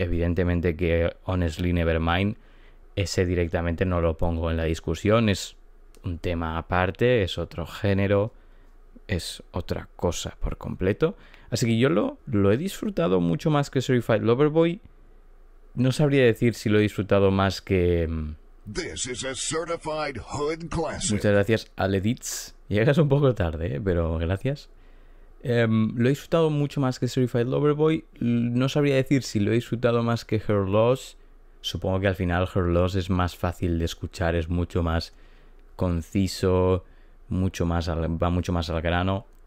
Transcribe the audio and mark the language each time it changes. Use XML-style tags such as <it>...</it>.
<es>Evidentemente que Honestly Nevermind, ese directamente no lo pongo en la discusión. Es un tema aparte, es otro género, es otra cosa por completo. Así que yo lo he disfrutado mucho más que Certified Lover Boy. No sabría decir si lo he disfrutado más que...</es> <en>This is a Certified Hood Classic.</en> <es>Muchas gracias, Aleditz. Llegas un poco tarde, ¿eh?, pero gracias. Lo he disfrutado mucho más que Certified Lover Boy. No sabría decir si lo he disfrutado más que Her Loss. Supongo que al final Her Loss es más fácil de escuchar, es mucho más conciso, va mucho más al grano.</es>